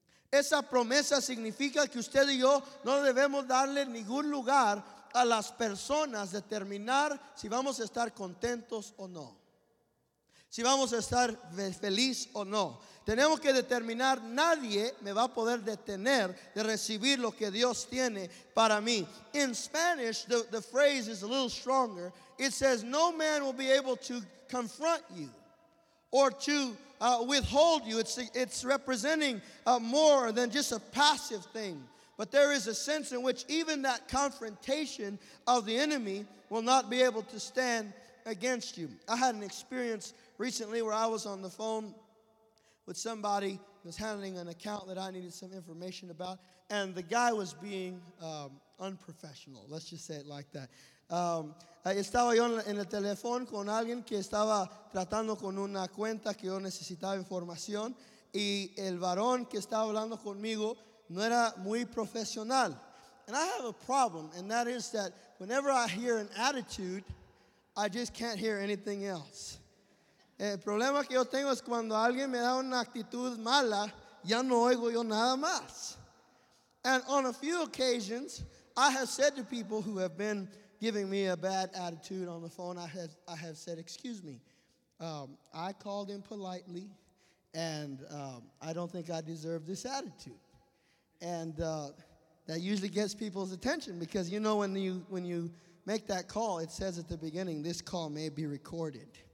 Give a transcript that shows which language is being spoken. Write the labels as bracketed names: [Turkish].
[Spanish] Esa promesa significa que usted y yo no debemos darle ningún lugar a las personas determinar si vamos a estar contentos o no, si vamos a estar feliz o no. Tenemos que determinar, nadie me va a poder detener de recibir lo que Dios tiene para mí. [English] In Spanish, the phrase is a little stronger. It says, no man will be able to confront you or to withhold you. It's representing more than just a passive thing. But there is a sense in which even that confrontation of the enemy will not be able to stand against you. I had an experience recently where I was on the phone with somebody who was handling an account that I needed some information about, and the guy was being unprofessional. Let's just say it like that. [Spanish] Estaba yo en el teléfono con alguien que estaba tratando con una cuenta que yo necesitaba información, y el varón que estaba hablando conmigo no era muy profesional. [English] And I have a problem, and that is that whenever I hear an attitude, I just can't hear anything else. [Spanish] El problema que yo tengo es cuando alguien me da una actitud mala, ya no oigo yo nada más. [English] And on a few occasions, I have said to people who have been giving me a bad attitude on the phone, I have said, excuse me, I called in politely, and I don't think I deserve this attitude. And that usually gets people's attention, because you know when you make that call, it says at the beginning, this call may be recorded.